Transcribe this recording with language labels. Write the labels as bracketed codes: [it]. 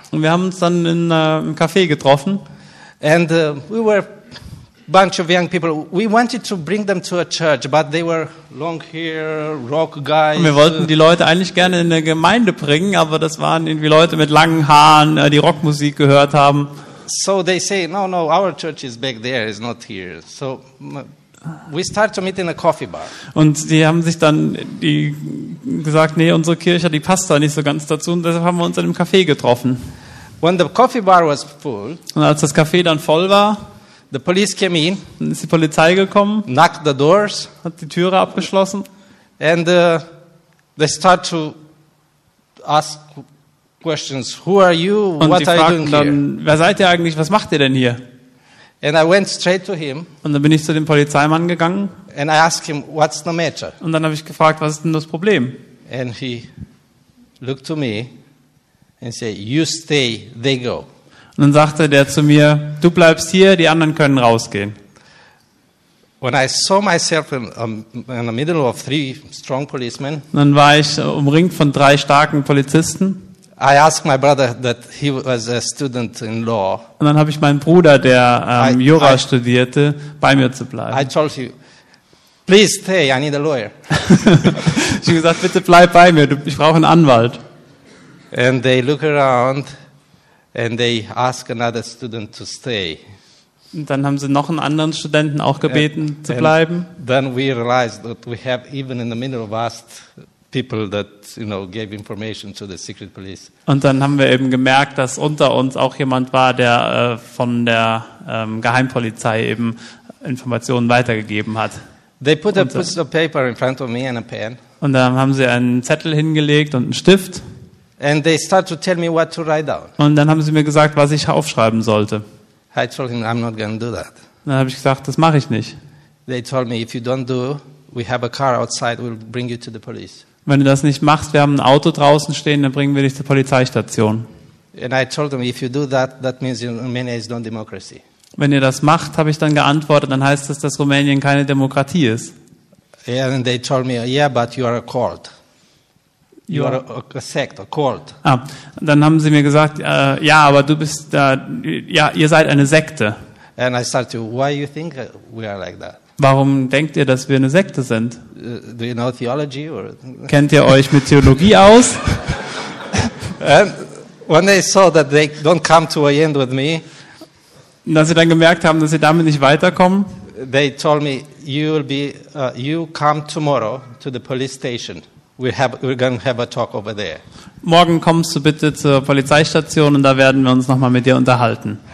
[de] Und wir haben uns dann in einem Café getroffen. [en] And we were a bunch of young people. We wanted to bring them to a church, but they were long hair, rock guys. [de] Und wir wollten die Leute eigentlich gerne in eine Gemeinde bringen, aber das waren irgendwie Leute mit langen Haaren, die Rockmusik gehört haben. [en] So they say, no, our church is back there, it's not here. So we start to meet in a coffee bar. [de] Und die haben sich dann die gesagt, nee, unsere Kirche, die passt da nicht so ganz dazu. Und deshalb haben wir uns in einem Café getroffen. [en] When the coffee bar was full, [de] und als das Café dann voll war, [en] the police came in, [de] dann ist die Polizei gekommen, [en] knocked the doors, [de] hat die Türe abgeschlossen, [en] and they start to ask questions. Who are you? [de] Und [en] what are you doing [de] dann, [en] here? [de] Wer seid ihr eigentlich? Was macht ihr denn hier? [en] And I went straight to him. [de] Und dann bin ich zu dem Polizeimann gegangen. [en] And I asked him, what's the matter? [de] Und dann habe ich gefragt, was ist denn das Problem? [en] And he looked to me and said, you stay, they go. [de] Und dann sagte der zu mir, du bleibst hier, die anderen können rausgehen. [en] When I saw myself in the middle of three strong policemen. [de] Und dann war ich umringt von drei starken Polizisten. [en] I asked my brother that he was a student in law. [de] Und dann habe ich meinen Bruder, der Jura studierte, bei mir zu bleiben. [en] I told him, please stay, I need a lawyer. [de] Ich habe gesagt, bitte bleib bei mir, ich brauche einen Anwalt. [en] And they look around and they ask another student to stay. [de] Und dann haben sie noch einen anderen Studenten auch gebeten zu bleiben. [en] Then we realized that we have even in the middle of us people that, you know, gave information to the secret police. [de] Und dann haben wir eben gemerkt, dass unter uns auch jemand war, der von der Geheimpolizei eben Informationen weitergegeben hat. [en] They put a piece of paper in front of me and a pen. [de] Und dann haben sie einen Zettel hingelegt und einen Stift. [en] And they start to tell me what to write down. [de] Und dann haben sie mir gesagt, was ich aufschreiben sollte. [en] I told him, I'm not gonna do that. [de] Dann habe ich gesagt, das mache ich nicht. [en] They told me, if you don't do, we have a car outside, we'll bring you to the police. [de] Wenn du das nicht machst, wir haben ein Auto draußen stehen, dann bringen wir dich zur Polizeistation. [en] And I told him, if you do that, that means Romania is not democracy. [de] Wenn ihr das macht, habe ich dann geantwortet, dann heißt das, dass Rumänien keine Demokratie ist. [en] And they told me, yeah, but you are a cult. You are a sect, a cult. [de] Ah, dann haben sie mir gesagt, ja, aber du bist da, ja, ihr seid eine Sekte. [en] And I started, why you think we are like that? [de] Warum denkt ihr, dass wir eine Sekte sind? [en] Do you know theology or? [de] Kennt ihr euch mit Theologie aus? [en] And when they saw that they don't come to a end with me, [de] dass sie dann gemerkt haben, dass sie damit nicht weiterkommen, [en] they told me, you come tomorrow to the police station. We're going to have a talk over there. [de] Morgen kommst du bitte zur Polizeistation und da werden wir uns nochmal mit dir unterhalten.